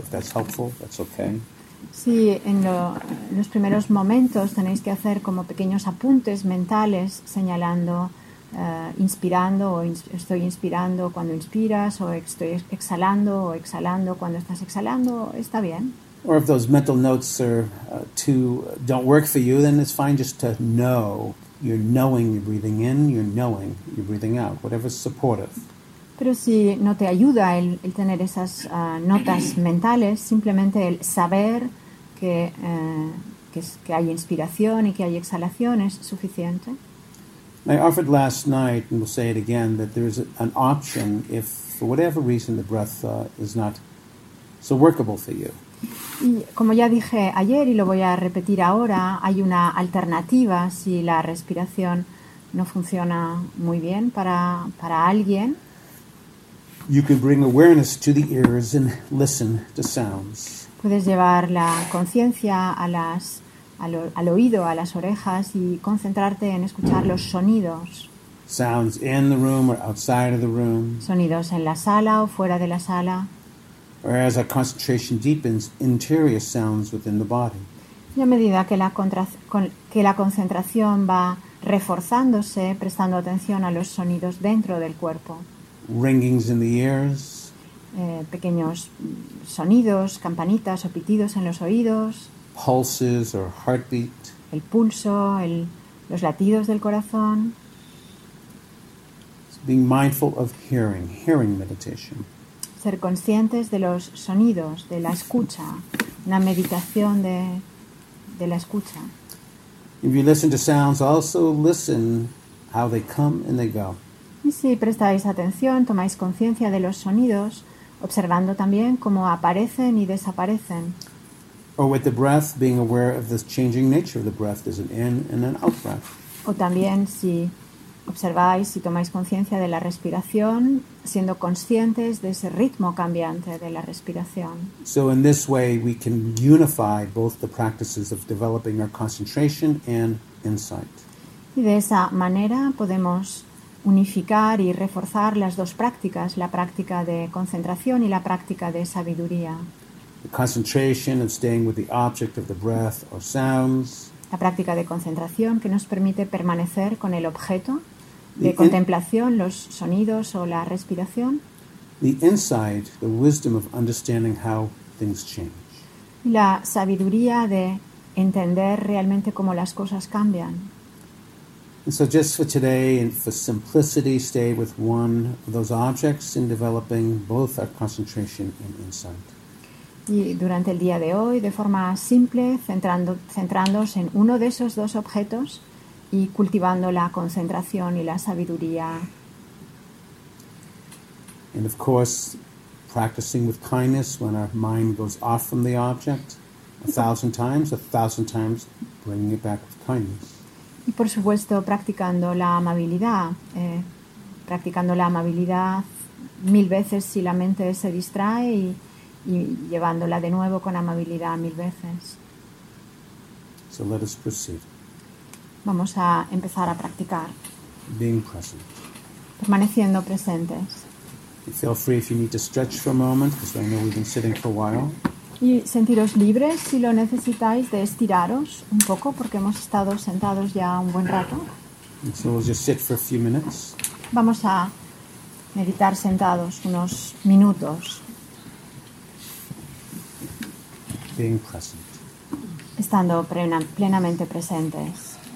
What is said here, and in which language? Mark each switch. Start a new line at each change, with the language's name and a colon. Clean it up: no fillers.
English: If that's helpful, that's okay.
Spanish: Sí, en los primeros momentos tenéis que hacer como pequeños apuntes mentales, señalando, inspirando o estoy inspirando cuando inspiras, o estoy exhalando o exhalando cuando estás exhalando, está bien.
English: Or if those mental notes are don't work for you, then it's fine just to know. You're knowing you're breathing in, you're knowing you're breathing out, whatever's supportive.
Spanish: Pero si no te ayuda el tener esas notas mentales, simplemente el saber que hay inspiración y que hay exhalación es suficiente.
English: I offered last night, and we'll say it again, that there is an option if, for whatever reason, the breath is not so workable for you.
Spanish: Y como ya dije ayer y lo voy a repetir ahora, hay una alternativa si la respiración no funciona muy bien para alguien.
English: You can bring awareness to the ears and listen to sounds.
Spanish: Puedes llevar la conciencia al oído, a las orejas, y concentrarte en escuchar los sonidos.
English: Sounds in the room or outside of the room.
Spanish: Sonidos en la sala o fuera de la sala.
English: Or as our concentration deepens, interior sounds within the body.
Spanish: Y a medida que la concentración va reforzándose, prestando atención a los sonidos dentro del cuerpo.
English: Ringings in the ears.
Spanish: Pequeños sonidos, campanitas o pitidos en los oídos.
English: Pulses or heartbeat.
Spanish: El pulso, los latidos del corazón.
English: So being mindful of hearing meditation.
Spanish: Ser conscientes de los sonidos, de la escucha, una meditación de la escucha.
English: If you listen to sounds, also listen how they come and they go.
Spanish: Y si prestáis atención, tomáis conciencia de los sonidos, observando también cómo aparecen y desaparecen.
English: Or with the breath, being aware of this changing nature of the breath as an in and an out breath.
Spanish: O también si observáis y tomáis conciencia de la respiración, siendo conscientes de ese ritmo cambiante de la respiración.
English: So in this way we can unify both the practices of developing our concentration and insight.
Spanish: Y de esa manera podemos unificar y reforzar las dos prácticas, la práctica de concentración y la práctica de sabiduría.
English: The concentration of staying with the object of the breath or sounds.
Spanish: La práctica de concentración que nos permite permanecer con el objeto de contemplación, los sonidos o la respiración.
English: The insight, the wisdom of understanding how things change.
Spanish: Y la sabiduría de entender realmente cómo las cosas cambian.
English: And so just for today and for simplicity, stay with one of those objects in developing both our concentration and insight.
Spanish: Y durante el día de hoy, de forma simple, centrándose en uno de esos dos objetos y cultivando la concentración y la sabiduría.
English: And of course, practicing with kindness when our mind goes off from the object, a thousand times bringing it back with kindness.
Spanish: Y por supuesto, practicando la amabilidad, practicando la amabilidad mil veces si la mente se distrae y llevándola de nuevo con amabilidad mil veces.
English: So let us proceed.
Spanish: Vamos a empezar a practicar.
English: Being present.
Spanish: Permaneciendo presentes.
English: Feel free if you need to stretch for a moment, because I know we've been sitting for a while.
Spanish: Y sentiros libres si lo necesitáis de estiraros un poco, porque hemos estado sentados ya un buen rato.
English: And so we'll just sit for a few minutes.
Spanish: Vamos a meditar sentados unos minutos.
English: Being present.
Spanish: Estando plenamente presentes.